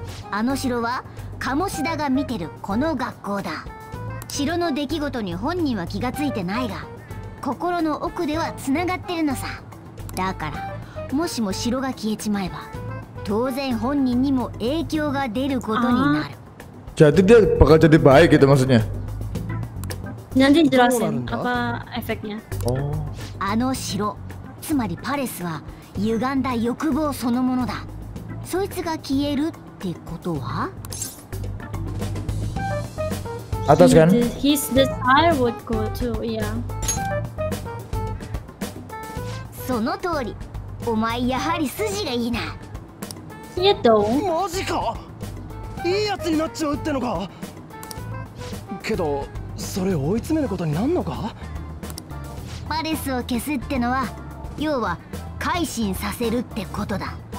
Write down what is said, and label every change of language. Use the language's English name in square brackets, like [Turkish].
[Japanese] あの城は鴨志田が見てるこの学校だ。城の出来事に本人は気がついてないが心の奥ではつながってるのさ。だからもしも城が消えちまえば当然本人にも影響が出ることになる。 [Indonesian] Jadi dia bakal jadi baik gitu maksudnya. Nanti jelasin apa efeknya. Oh. [Japanese] あの城、つまりパレスは歪んだ欲望そのものだ。そいつが消えるってことは？ [Indonesian] Atas kan? [English] His desire would go to yeah. [Japanese] その通り。お前やはり筋がいいな。やっと。マジか。いいやつになっちゃうってのか。けどそれ追い詰めることになんのか。パレスを消すってのは要は改心させるってことだ。